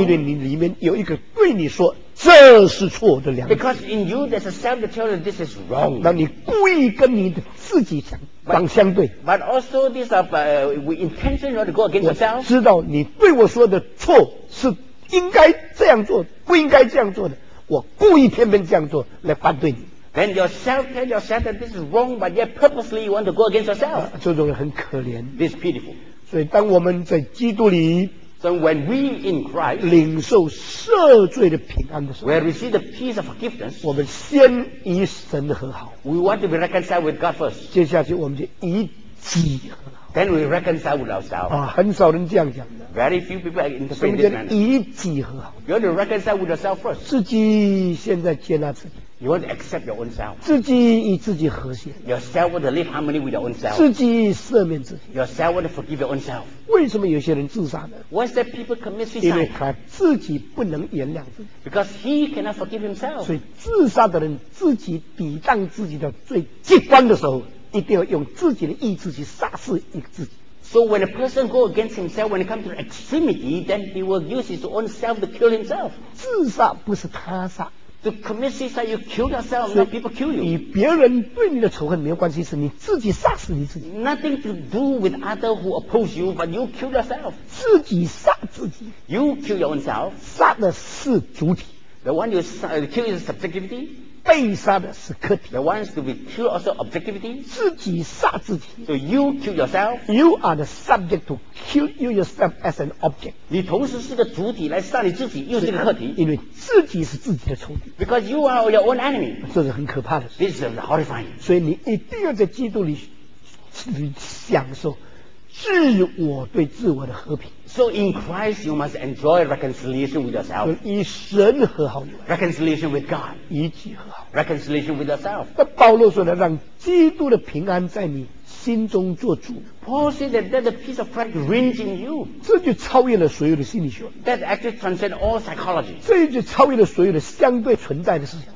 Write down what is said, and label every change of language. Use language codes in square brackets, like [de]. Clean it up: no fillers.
[zh] 因为你里面有一个对你说这是错的良心。 [en] Because in you there's a self that tells you this is wrong. [zh] 那你故意跟你的自己相相对。 [en] But also this of intention not to go against yourself. [zh] 知道你对我说的错是应该这样做，不应该这样做的。我故意偏偏这样做来反对你。 [en] Then yourself tell yourself that this is wrong, but yet purposely you want to go against yourself. [zh] 这种人很可怜。 [en] This is pitiful. [zh] 所以当我们在基督里。 [en] So when we in Christ, [zh] 领受赦罪的平安的时候， [en] we receive the peace of forgiveness, [zh] 我们先与神和好。 [en] We want to be reconciled with God first. [zh] 接下去我们就以己和好。 [en] Then we reconcile with ourselves. [zh] 啊，很少人这样讲的。 [en] Very few people are interpreting this manner. [zh] 以己和好。 [en] You want to reconcile with yourself first. [zh] 自己现在接纳自己。 [en] You want to accept your own self. [zh] 自己与自己和谐。 [en] Yourself want to live harmony with your own self. [zh] 自己赦免自己。 [en] Yourself want to forgive your own self. [zh] 为什么有些人自杀呢？ [en] Why is that people commit suicide? [zh] 因为他自己不能原谅自己。 [en] Because he cannot forgive himself. [zh] 所以自杀的人自己抵挡自己的最极端的时候，一定要用自己的意志去杀死一个自己。 [en] So when a person go against himself, when it comes to extremity, then he will use his own self to kill himself. [zh] 自杀不是他杀， [en] To commit suicide, you kill yourself, not people kill you. [zh] 与别人对你的仇恨没有关系，是你自己杀死你自己。 [en] Nothing to do with other who oppose you, but you kill yourself. [zh] 自己杀自己。 [en] You kill yourself. [zh] 杀的是主体。 [en] The one you kill is subjectivity. [zh] 被杀的是客体。 [en] The one to be killed also objectivity. [zh] 自己杀自己。 [en] So you kill yourself. You are the subject to kill you yourself as an object. [zh] 你同时是个主体来杀你自己，又是个客体。因为自己是自己的仇敌。 [en] Because you are your own enemy. [zh] 这是很可怕的。 [en] This is horrifying. [zh] 所以你一定要在基督里去享受自我对自我的和平。 [en] So in Christ, you must enjoy reconciliation with yourself. [zh] 与神和好。 [en] Reconciliation with God. [zh] 与己和好。 [en] Reconciliation with yourself. [zh] 那保罗说的，让基督的平安在你心中做主。 [en] Paul said that, the peace of Christ reigns in you. [zh] 这就超越了所有的心理学。 [en] That actually transcends all psychology. [zh] 这就超越了所有的相对存在的思想。